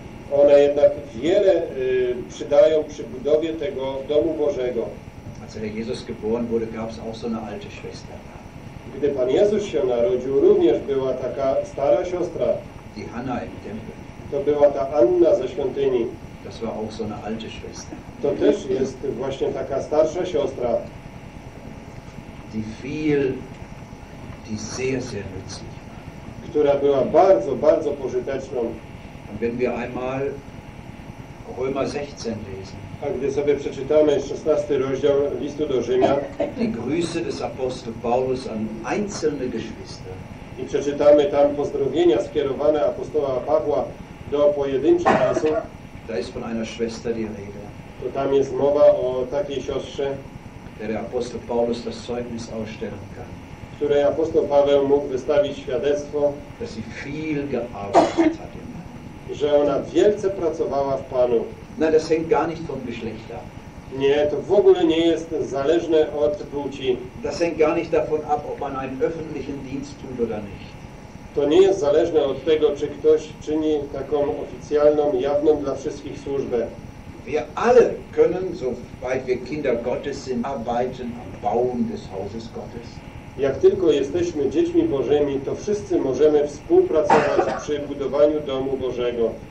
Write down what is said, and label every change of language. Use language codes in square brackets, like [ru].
[pl] One jednak wiele przydają przy budowie tego domu Bożego. [de] Als der Jesus geboren wurde, gab es auch so eine alte Schwester. [pl] Gdy Pan Jezus się narodził, również była taka stara siostra. [de] Die Hanna im Tempel. [pl] To była ta Anna ze świątyni. [de] Das war auch so eine alte Schwester. [pl] To też jest właśnie taka starsza siostra. [de] Die viel, die sehr, sehr nützlich. [pl] Która była bardzo, bardzo pożyteczną. [de] Und wenn wir einmal Römer 16 lesen. [pl] A gdy sobie przeczytamy 16 rozdział listu do Rzymian, [de] die Grüße des Apostel Paulus an einzelne Geschwister. [pl] I przeczytamy tam pozdrowienia skierowane apostoła Pawła do pojedynczych osób. [de] Da ist von einer Schwester die Rede. [pl] To tam jest mowa o takiej siostrze, [de] der Apostel Paulus das Zeugnis ausstellen kann. [pl] Której apostoł Paweł mógł wystawić świadectwo, [de] dass sie viel gearbeitet hat, [pl] że ona wielce pracowała w Panu. [de] Na, das hängt gar nicht vom Geschlecht ab. [pl] Nie, to w ogóle nie jest zależne od płci. [de] Das hängt gar nicht davon ab, ob man einen öffentlichen Dienst tut oder nicht. [pl] To nie jest zależne od tego, czy ktoś czyni taką oficjalną, jawną dla wszystkich służbę. [de] Wir alle können, soweit wir Kinder Gottes sind, arbeiten am Bauen des Hauses Gottes. [pl] Jak tylko jesteśmy dziećmi Bożymi, to wszyscy możemy współpracować przy budowaniu domu Bożego.